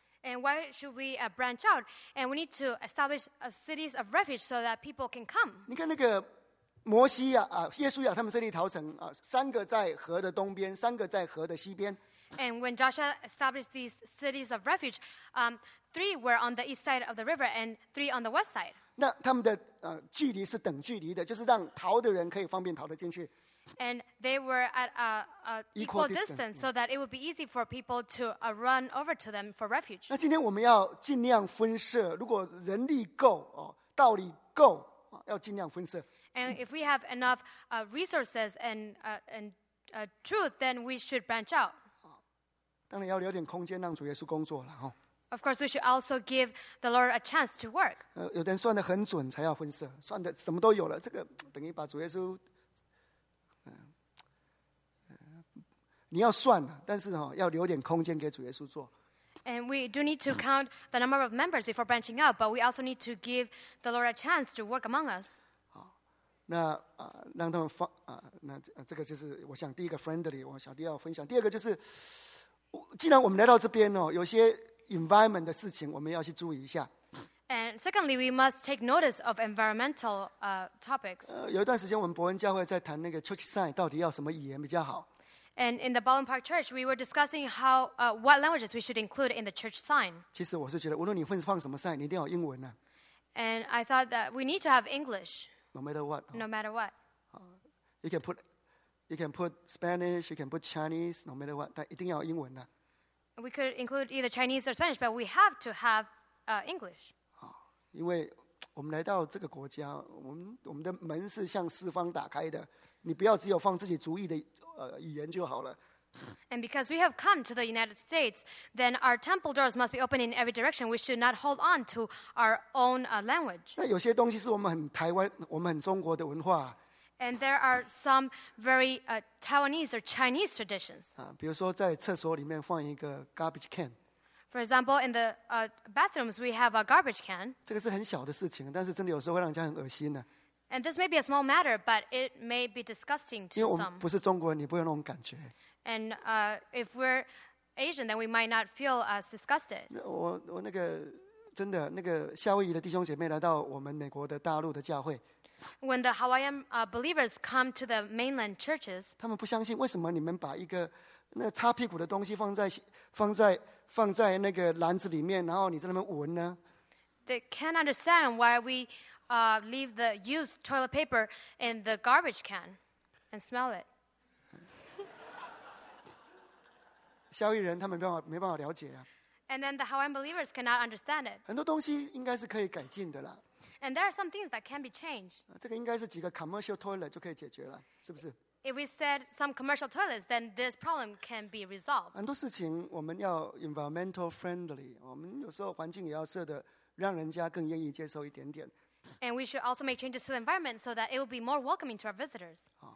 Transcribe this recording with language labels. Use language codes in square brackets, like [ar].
[en] And why should we branch out? And we need to establish cities of refuge so that people can come. [zh] 你看那个摩西亚啊，耶稣亚他们设立桃城啊，三个在河的东边，三个在河的西边。 [en] And when Joshua established these cities of refuge, three were on the east side of the river and three on the west side. [zh] 那他们的距离是等距离的，就是让逃的人可以方便逃得进去。 [en] And they were at an equal distance so that it would be easy for people to run over to them for refuge. [zh] 那今天我们要尽量分设，如果人力够，道理够，要尽量分设。 [en] And if we have enough resources and truth, then we should branch out. [zh] 当然要留点空间让主耶稣工作了。 [en] Of course, we should also give the Lord a chance to work. [zh] 有的人算得很准才要分设，算得什么都有了，这个等于把主耶稣你要算，但是要留点空间给主耶稣做。 [en] And we do need to count the number of members before branching out, but we also need to give the Lord a chance to work among us. [zh] 那让他们放那这个就是我想第一个 friendly， 我想第二个分享。第二个就是，既然我们来到这边有些 environment 的事情我们要去注意一下。 [en] And secondly, we must take notice of environmental topics. [zh] 有一段时间我们伯恩教会在谈那个 church sign 到底要什么语言比较好。 [en] And in the Ballin Park Church, we were discussing how, what languages we should include in the church sign. [zh] 其实我是觉得，无论你放什么 sign， 你一定要英文啊。 [en] And I thought that we need to have English. No matter what. No matter what. You can put Spanish. You can put Chinese. No matter what, [zh] 但一定要英文啊。 [en] We could include either Chinese or Spanish, but we have to have English. [zh] 因为我们来到这个国家，我们的门是向四方打开的。你不要只有放自己族裔的语言就好了。 [en] And because we have come to the United States, then our temple doors must be open in every direction. We should not hold on to our own language. [zh] 那有些东西是我们很台湾，我们很中国的文化。 [en] And there are some very Taiwanese or Chinese traditions. [zh] 比如说在厕所里面放一个 garbage can. [en] For example, in the bathrooms, we have a garbage can. [zh] 这个是很小的事情，但是真的有时候会让人家很恶心的。 [en] And this may be a small matter, but it may be disgusting to some. [zh] 因为我们不是中国人，你不会有那种感觉。 [en] And if we're Asian, then we might not feel as disgusted. [zh] 我那个真的那个夏威夷的弟兄姐妹来到我们美国的大陆的教会。 [en] When the Hawaiian believers come to the mainland churches, [zh] 他们不相信为什么你们把一个那擦屁股的东西放在那个篮子里面，然后你在那边闻呢 [en] ？They can't understand why we. Leave the used toilet paper in the garbage can and smell it. [zh] 夏威夷人他们没办法了解啊。 [en] And then the Hawaiian believers cannot understand it. [zh] 很多东西应该是可以改进的啦。 [en] And there are some things that can be changed. [zh] 这个应该是几个 commercial toilet 就可以解决了，是不是？ [en] If we said some commercial toilets, then this problem can be resolved. [zh] 很多事情我们要 [en] environmental friendly， [zh] 我们有时候环境也要设的让人家更愿意接受一点点。 [en] And we should also make changes to the environment so that it will be more welcoming to our visitors.